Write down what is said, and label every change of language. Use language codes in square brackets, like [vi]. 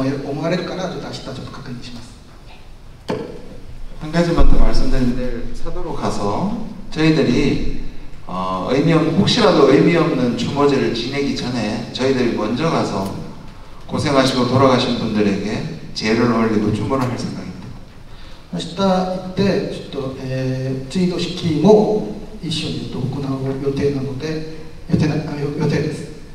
[ja] なぜならばこの解釈の差が韓国では本当に受け取れないぐらいの歴史歪曲の問題だと思われるから、ちょっと明日ちょっと確認します。 [ko] 한 가지만 더 말씀드리는데 차도로 가서 저희들이 혹시라도 의미 없는 추모제를 지내기 전에 저희들이 먼저 가서 고생하시고 돌아가신 분들에게 제를 올리고 추모를 할 생각입니다. [ja] 明日行って、ちょっと追悼式も一緒に行うと行う予定なので、予定です。